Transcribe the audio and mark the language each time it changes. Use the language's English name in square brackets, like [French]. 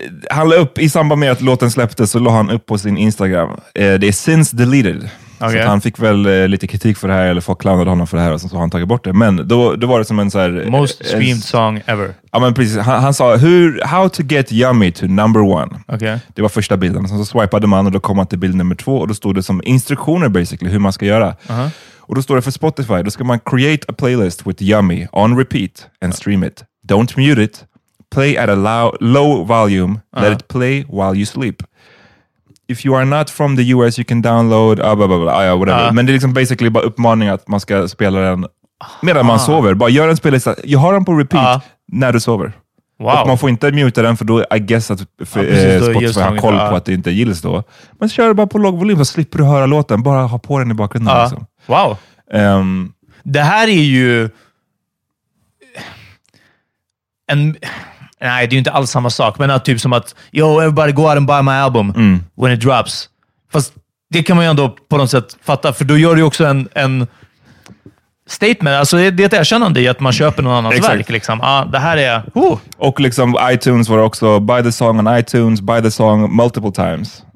[Swedish] han la upp, i samband med att låten släpptes, så la han upp på sin Instagram. Det är [English] since deleted. [Swedish] Okay. Så han fick väl lite kritik för det här, eller folk klandrade honom för det här, och så har han tagit bort det. Men då var det som en så här... [English] Most streamed song ever. [Swedish] Ja, men precis. Han sa, [English] how to get yummy to number one. Okay. [Swedish] Det var första bilden. Så swipade man och då kom han till bild nummer två. Och då stod det som instruktioner, basically, hur man ska göra. Uh-huh. Och då står det för Spotify, då ska man [English] create a playlist with yummy on repeat and stream it. Don't mute it. Play at a low volume. Uh-huh. Let it play while you sleep. If you are not from the US, you can download [Swedish] men det är liksom basically bara uppmaning att man ska spela den medan man sover. Bara gör en spellista. Jag har den på repeat när du sover. [English] Wow. [Swedish] Och man får inte muta den, för då I guess att Spotify har koll på att det inte gills då. Men kör bara på låg volym, så slipper du höra låten. Bara ha på den i bakgrunden. Liksom. Wow. Det här är ju en... Nej, det är ju inte alls samma sak. Men att typ som att, [English] yo, everybody go out and buy my album when it drops. [Swedish] Fast det kan man ju ändå på något sätt fatta. För då gör du ju också en statement. Alltså det är ett erkännande i att man köper någon annans verk. Liksom. Ah, det här är... Oh. [English] Och liksom iTunes var också, buy the song on iTunes, buy the song multiple times.